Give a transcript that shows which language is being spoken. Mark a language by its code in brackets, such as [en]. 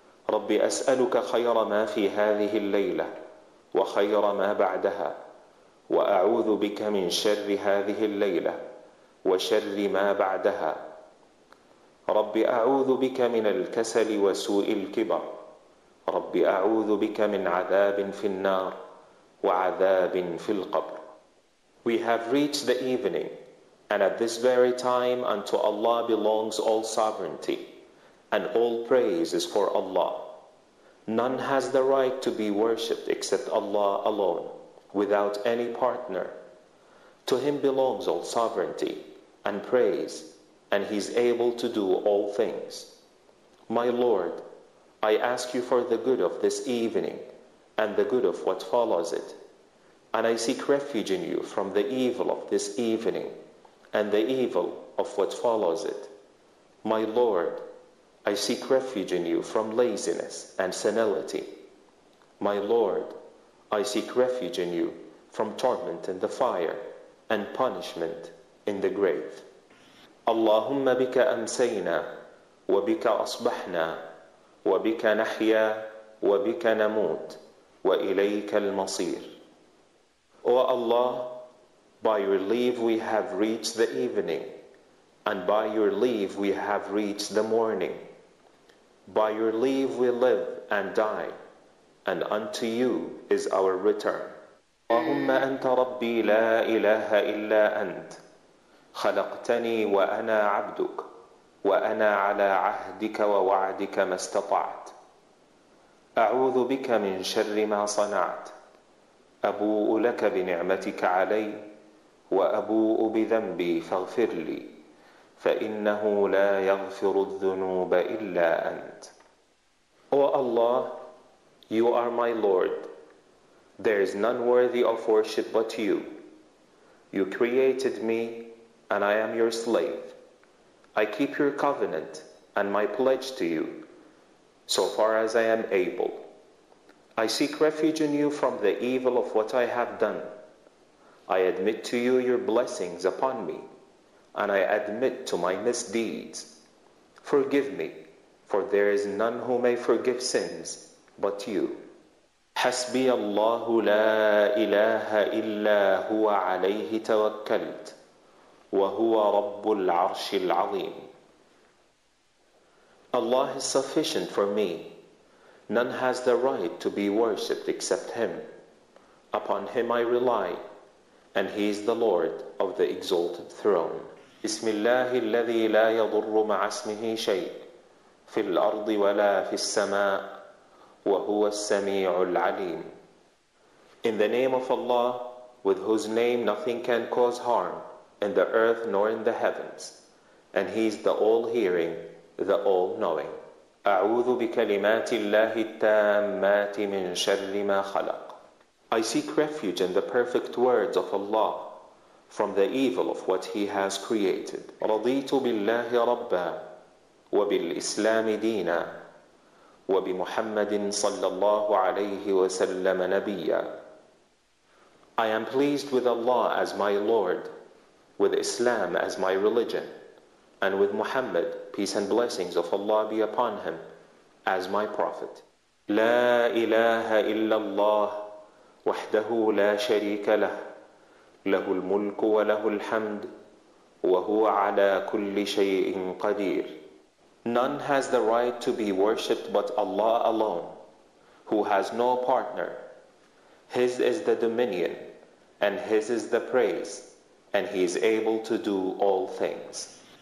[ar] ربي أسألك خير ما في هذه الليلة وخير ما بعدها، وأعوذ بك من شر هذه الليلة وشر ما بعدها. ربي أعوذ بك من الكسل وسوء الكبر. ربي أعوذ بك من عذاب في النار وعذاب في القبر. [en] We have reached the evening, and at this very time unto Allah belongs all sovereignty, and all praise is for Allah. None has the right to be worshipped except Allah alone, without any partner. To Him belongs all sovereignty and praise, and He is able to do all things. My Lord, I ask you for the good of this evening and the good of what follows it. And I seek refuge in you from the evil of this evening and the evil of what follows it. My Lord, I seek refuge in you from laziness and senility. My Lord, I seek refuge in you from torment in the fire and punishment in the grave. [ar] اللهم بك أمسينا وبك أصبحنا وبك نحيا وبك نموت وإليك المصير. [en] O Allah, by your leave we have reached the evening, and by your leave we have reached the morning. By your leave we live and die, and unto you is our return. [ar] اللهم أنت ربي لا إله إلا أنت خلقتني وأنا عبدك وأنا على عهدك ووعدك ما استطعت. أعوذ بك من شر ما صنعت، أبوء لك بنعمتك علي وأبوء بذنبي فاغفر لي، فإنه لا يغفر الذنوب إلا أنت. [en] O Allah, you are my Lord. There is none worthy of worship but you. You created me and I am your slave. I keep your covenant and my pledge to you so far as I am able. I seek refuge in you from the evil of what I have done. I admit to you your blessings upon me, and I admit to my misdeeds. Forgive me, for there is none who may forgive sins but you. [ar] حسبي الله لا إله إلا هو عليه توكلت وهو رب العرش العظيم. [en] Allah is sufficient for me. None has the right to be worshipped except Him. Upon Him I rely, and He is the Lord of the exalted throne. [ar] بسم الله الذي لا يضر مع اسمه شيء في الأرض ولا في السماء وهو السميع العليم. [en] In the name of Allah, with whose name nothing can cause harm in the earth nor in the heavens, and He is the all-hearing, the all-knowing. [ar] أعوذ بكلمات الله التامات من شر ما خلق. [en] I seek refuge in the perfect words of Allah from the evil of what He has created. [ar] رضيت بالله ربا وبالإسلام دينا وبمحمد صلى الله عليه وسلم نبيا. [en] I am pleased with Allah as my Lord, with Islam as my religion, and with Muhammad, peace and blessings of Allah be upon him, as my prophet. [ar] لا إله إلا الله وحده لا شريك له له الملك وله الحمد وهو على كل شيء قدير. [en] None has the right to be worshipped but Allah alone, who has no partner. His is the dominion, and His is the praise, and He is able to do all things.